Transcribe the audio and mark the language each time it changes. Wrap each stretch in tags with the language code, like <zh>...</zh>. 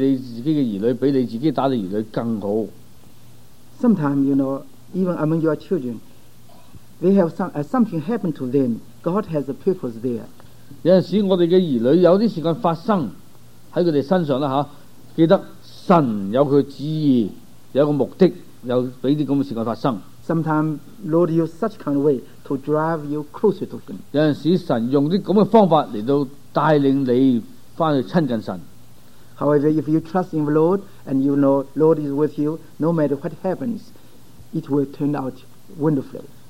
<zh>當然我們主耶穌基督能夠打理你自己的兒女，比你自己打理兒女更好。</zh> <en>Sometimes, you know, even among your children, they have something happened to them. God has a purpose there.</en> <zh>有時我們的兒女有些事情發生在他們身上，記得神有祂的旨意，有一個目的，有給這樣的事情發生。</zh> <en>Sometimes, Lord, use such kind of way to drive you closer to Him.</en> <zh>有時神用這樣的方法來到帶領你回去親近神。</zh> <en>However, if you trust in the Lord and you know Lord is with you, no matter what happens, it will turn out wonderfully.</en>